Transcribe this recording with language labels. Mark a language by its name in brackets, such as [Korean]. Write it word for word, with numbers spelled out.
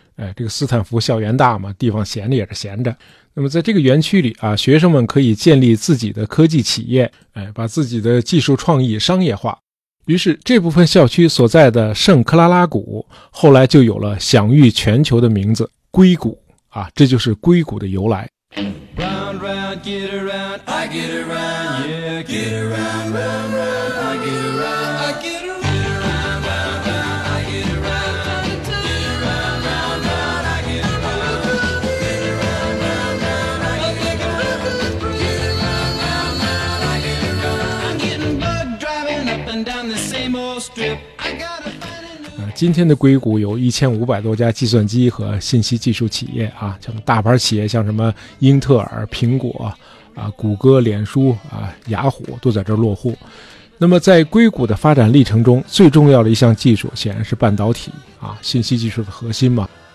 [Chinese] 哎，这个斯坦福校园大嘛，地方闲着也是闲着。那么在这个园区里啊，学生们可以建立自己的科技企业，哎，把自己的技术创意商业化。于是这部分校区所在的圣克拉拉谷后来就有了享誉全球的名字硅谷啊，这就是硅谷的由来。 [English] Round, round, get around, I get around, yeah, get around, round, round, I get around, I get around, round, round, round, I get around, get around, round, round, I get around, get around, round, round, I get around, get around, round, round, I get around. I'm getting bugged driving up and down the same old strip. I got a. [Chinese] 今天的硅谷有一千五百多家计算机和信息技术企业啊，像大牌企业像什么英特尔、苹果啊、谷歌、脸书啊、雅虎都在这儿落户。那么在硅谷的发展历程中，最重要的一项技术显然是半导体啊，信息技术的核心嘛。